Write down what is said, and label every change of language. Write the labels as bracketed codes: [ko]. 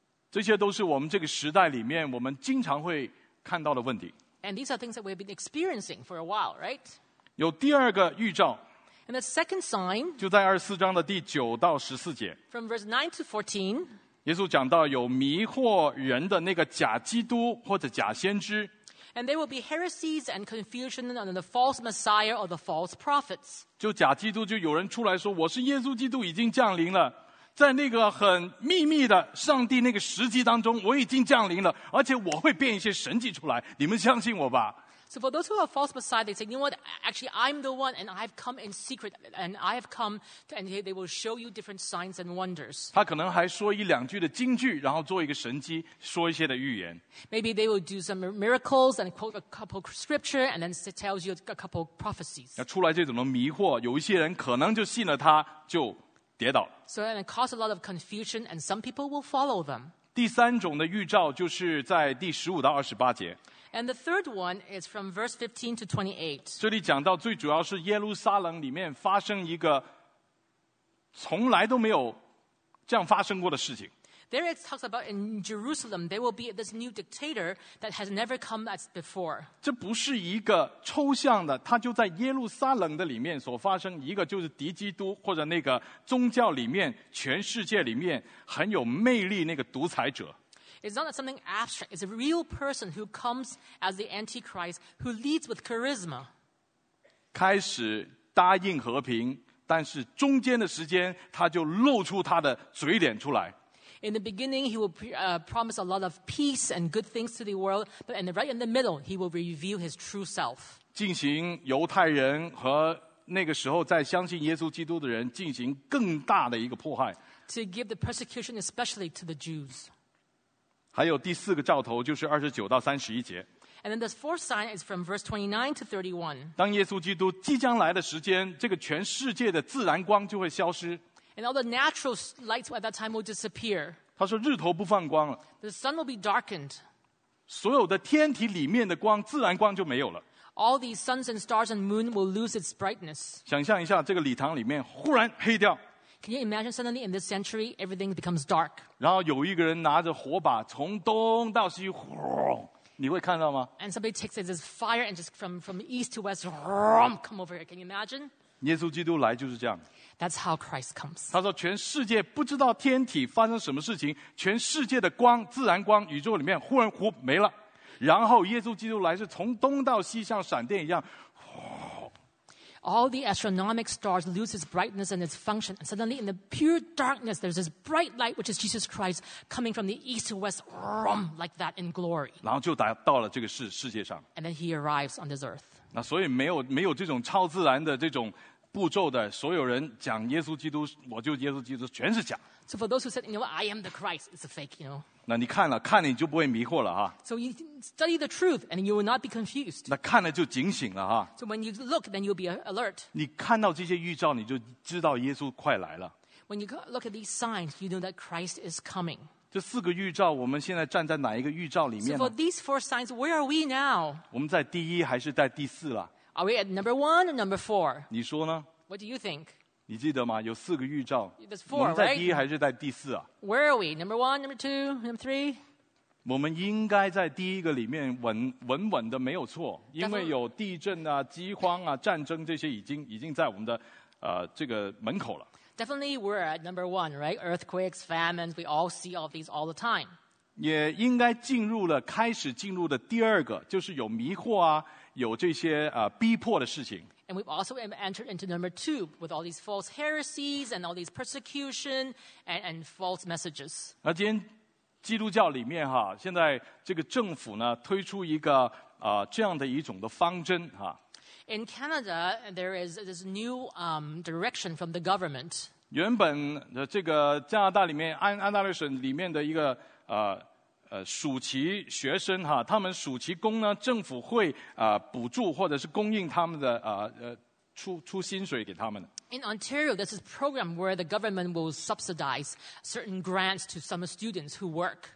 [zh] 这些都是我们这个时代里面我们经常会看到的问题。 [en] And these are things that we've been experiencing for a while, right? [zh] 有第二个预兆。 [en] And the second sign, [zh] 就在24:9-14, [en] from verse 9-14, [zh] 耶稣讲到有迷惑人的那个假基督或者假先知。 [en] And there will be heresies and confusion on the false Messiah or the false prophets. [zh] 就假基督就有人出来说我是耶稣基督已经降临了，在那个很秘密的上帝那个时机当中我已经降临了，而且我会变一些神迹出来，你们相信我吧。 [en] So for those who are false messiah, they say, you know what, actually I'm the one and I've come in secret and I have come to, and they will show you different signs and wonders. [zh] 他可能还说一两句的金句，然后做一个神迹，说一些的预言。 [en] Maybe they will do some miracles and quote a couple scripture and then tells you a couple prophecies. [zh] 出来这种的迷惑，有一些人可能就信了他，就跌倒。 [en] So and it caused a lot of confusion and some people will follow them. [zh] 第三种的预兆就是在15-28节。 [en] And the third one is from verse 15-28. [zh] 这里讲到最主要是耶路撒冷里面发生一个从来都没有这样发生过的事情。 [en] There it talks about in Jerusalem there will be this new dictator that has never come as before. [zh] 这不是一个抽象的，它就在耶路撒冷的里面所发生，一个就是敌基督或者那个宗教里面全世界里面很有魅力那个独裁者。 [en] It's not something abstract. It's a real person who comes as the Antichrist, who leads with charisma. [zh] 开始答应和平，但是中间的时间他就露出他的嘴脸出来。 [en] In the beginning, he will promise a lot of peace and good things to the world, but in the right in the middle, he will reveal his true self. [zh] 进行犹太人和那个时候在相信耶稣基督的人进行更大的一个迫害。 [en] To give the persecution, especially to the Jews. [zh] 还有第四个兆头就是29-31节。 [en] And then the fourth sign is from verse 29-31. [zh] 当耶稣基督即将来的时间，这个全世界的自然光就会消失。 [en] And all the natural lights at that time will disappear. [zh] 他说日头不放光了。 [en] The sun will be darkened. [zh] 所有的天体里面的光，自然光就没有了。 [en] All the suns and stars and moon will lose its brightness. [zh] 想象一下，这个礼堂里面忽然黑掉。 [en] Can you imagine suddenly in this century everything becomes dark? [zh] 然后有一个人拿着火把从东到西，你会看到吗？ [en] And somebody takes this fire and just from east to west, come over here. Can you imagine? [zh] 耶稣基督来就是这样。 [en] That's how Christ comes. [zh] 他说全世界不知道天体发生什么事情，全世界的光，自然光，宇宙里面忽然糊没了，然后耶稣基督来是从东到西像闪电一样。 [en] All the astronomic stars lose its brightness and its function, and suddenly in the pure darkness, there's this bright light, which is Jesus Christ, coming from the east to west, rum, like that in glory. [zh] 然后就达到了这个世界上。 [en] And then he arrives on this earth. [zh] 那所以没有这种超自然的这种步骤的，所有人讲耶稣基督，我就耶稣基督，全是假。 [en] So for those who said, you know, I am the Christ, it's a fake, you know. [zh] 那你看了，看了你就不会迷惑了哈。 [en] So you study the truth, and you will not be confused. [zh] 那看了就警醒了哈。 [en] So when you look, then you'll be alert. [zh] 你看到这些预兆，你就知道耶稣快来了。 [en] When you look at these signs, you know that Christ is coming. [zh] 这四个预兆，我们现在站在哪一个预兆里面呢？ [en] So for these four signs, where are we now? [zh] 我们在第一还是在第四了？ [en] Are we at number one or number four? [zh] 你说呢？ [en] What do you think? [zh] 你记得吗？有四个预兆。 [en] There's four, [zh] 我们在第一还是在第四啊 [en] ？Where are we? Number one, number two, number three. [zh] 我们应该在第一个里面稳稳的，没有错，因为有地震啊、饥荒啊、战争这些已经在我们的这个门口了。 [en] Definitely, we're at number one, right? Earthquakes, famines, we all see all these all the time. [zh] 也应该进入了开始进入的第二个，就是有迷惑啊，有这些逼迫的事情。 [en] And we've also entered into number two with all these false heresies and all these persecution and false messages. [zh] 那今天基督教里面哈，现在这个政府呢推出一个这样的一种的方针哈。 [en] In Canada, there is this new direction from the government. [zh] 原本的这个加拿大里面安大略省里面的一个暑期学生哈，他们暑期工呢，政府会补助或者是供应他们的出薪水给他们。 [en] In Ontario, this is a program where the government will subsidize certain grants to some students who work.